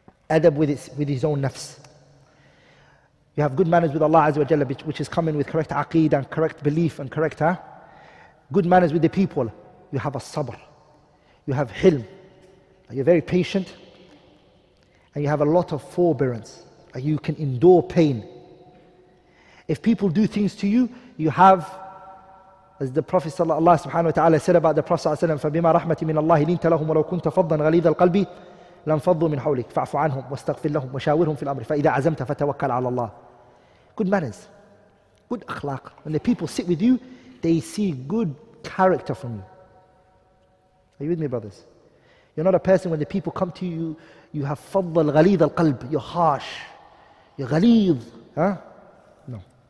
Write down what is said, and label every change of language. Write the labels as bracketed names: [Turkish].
[English] Adab with his own nafs. You have good manners with Allah Azza wa Jalla, which is coming with correct aqeed and correct belief and correct, huh? Good manners with the people. You have a sabr. You have hilm. You're very patient, and you have a lot of forbearance, and you can endure pain. If people do things to you, you have, as the Prophet Allah subhanahu wa ta'ala said about the Prophet, [Arabic] فَبِمَا رَحْمَةٍ مِنَ اللَّهِ لِنْتَ لَهُمْ وَلَوْ كُنْتَ فَضًّا غَلِيظَ الْقَلْبِ لَمْ فَضُّوا مِنْ حَوْلِكَ فَعْفُ عَنْهُمْ وَاسْتَغْفِرْ لَهُمْ وَشَاوِرْهُمْ فِي الْأَمْرِ فَإِذَا عَزَمْتَ فَتَوَكَّلْ عَلَى اللَّهِ. [English] Good manners, good akhlaq. When the people sit with you, they see good character from you. Are you with me, brothers? You're not a person, when the people come to you, you have [Arabic] faddal ghaleed al qalb, [English] you're harsh, you're ghaleed, huh? No.